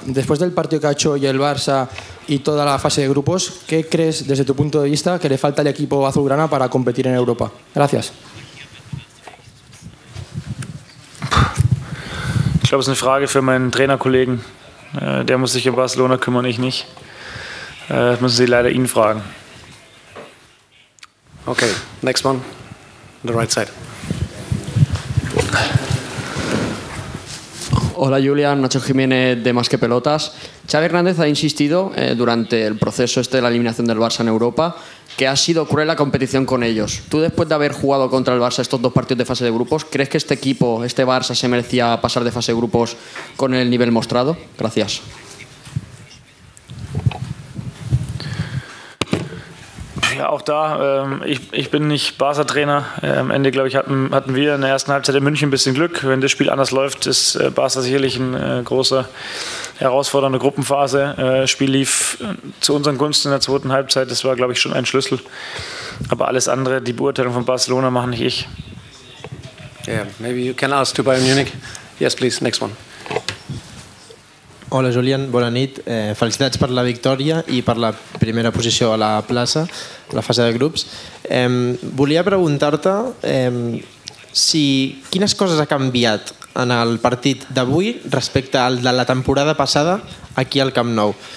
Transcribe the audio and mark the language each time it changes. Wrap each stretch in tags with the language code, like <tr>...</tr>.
<es>Después del partido que ha hecho hoy el Barça y toda la fase de grupos, ¿qué crees, desde tu punto de vista, que le falta al equipo azulgrana para competir en Europa? Gracias.</es> <de>Ich glaube, es ist eine Frage für meinen Trainerkollegen. Der muss sich um Barcelona kümmern, ich nicht. Das müssen Sie leider ihn fragen.</de> <en>Okay, next one. On the right side.</en> <es>Hola, Julián, Nacho Jiménez de Más que Pelotas. Xavi Hernández ha insistido durante el proceso este de la eliminación del Barça en Europa que ha sido cruel la competición con ellos. Tú, después de haber jugado contra el Barça estos dos partidos de fase de grupos, ¿crees que este equipo, este Barça, se merecía pasar de fase de grupos con el nivel mostrado? Gracias.</es> <de>Ja, auch da, ich bin nicht Barca-Trainer. Am Ende, glaube ich, hatten wir in der ersten Halbzeit in München ein bisschen Glück. Wenn das Spiel anders läuft, ist Barca sicherlich eine große, herausfordernde Gruppenphase. Das Spiel lief zu unseren Gunsten in der zweiten Halbzeit. Das war, glaube ich, schon ein Schlüssel. Aber alles andere, die Beurteilung von Barcelona, mache nicht ich.</de> <en>Yeah, maybe you can ask to Bayern Munich. Yes, please, next one.</en> <ca>Hola, Julián, bona nit. Felicitats per la victòria i per la primera posició a la plaça, a la fase de grups. Volia preguntar-te quines coses ha canviat en el partit d'avui respecte al de la temporada passada aquí al Camp Nou.</ca>